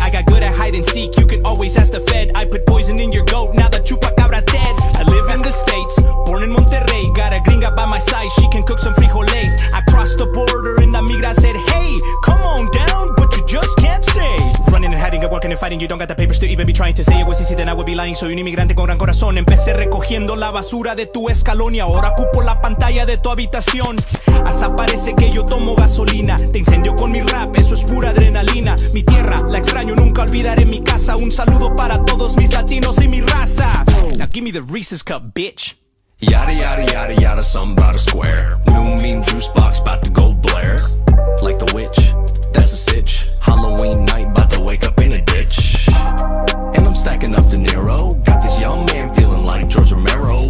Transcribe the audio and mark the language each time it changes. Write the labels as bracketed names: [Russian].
[English] I got good at hide and seek, you can always ask the fed. I put poison in your goat, now the chupacabra's dead. I live in the States, born in Monterrey. Got a gringa by my side, she can cook some frijoles. I crossed the border and la migra said, hey, come on down, but you just can't stay. Running and hiding and working and fighting, you don't got the papers to even be trying to say. It was easy, then I would be lying. [Spanish] So un inmigrante con gran corazón. Empecé recogiendo la basura de tu escalón y ahora ocupo la pantalla de tu habitación. Hasta parece que yo tomo gasolina. Te incendio con mi rap, eso es pura adrenalina. Mi tierra, la extraño, nunca olvidaré mi casa. Un saludo para todos mis latinos y mi raza. [English] Now give me the Reese's Cup, bitch. Yada yada yada yada, something about a square. New meme juice box about to go blare. Like the witch, that's a sitch. Halloween night, about to wake up in a ditch. And I'm stacking up De Niro. Got this young man feeling like George Romero.